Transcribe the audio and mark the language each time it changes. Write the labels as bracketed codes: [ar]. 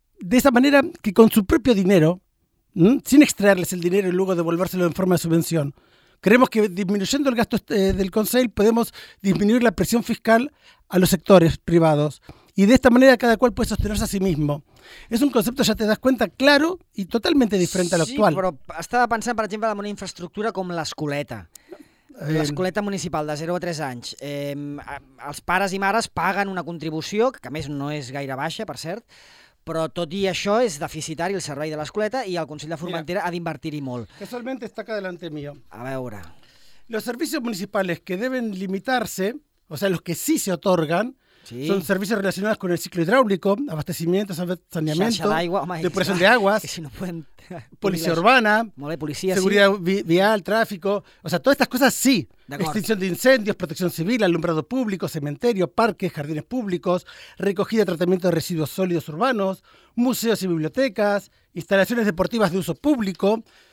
[es] esa manera que con su propio dinero, sin extraerles el dinero y luego devolvérselo en forma de subvención, creemos que disminuyendo el gasto del Consejo podemos disminuir la presión fiscal a los sectores privados y de esta manera cada cual puede sostenerse a sí mismo. Es un concepto, ya te das cuenta, claro y totalmente diferente sí, a lo actual. Sí, pero estaba pensando, por ejemplo, en una infraestructura como la escoleta. [ca] L'escoleta municipal de 0 a 3 anys, els pares i mares paguen una contribució, que a més no és gaire baixa, per cert, però tot i això és deficitari el servei de l'Escoleta i el Consell de Formentera ha d'invertir-hi molt. [es] Casualmente está acá delante mío. [ca] A veure. [es] Los servicios municipales que deben limitarse, o sea, los que sí se otorgan, sí, son servicios relacionados con el ciclo hidráulico, abastecimiento, saneamiento, depuración de aguas, si no pueden... policía urbana, vale, policía, seguridad sí, vial, tráfico, o sea, todas estas cosas sí. Extinción de incendios, protección civil, alumbrado público, cementerio, parques, jardines públicos, recogida y tratamiento de residuos sólidos urbanos, museos y bibliotecas, instalaciones deportivas de uso público...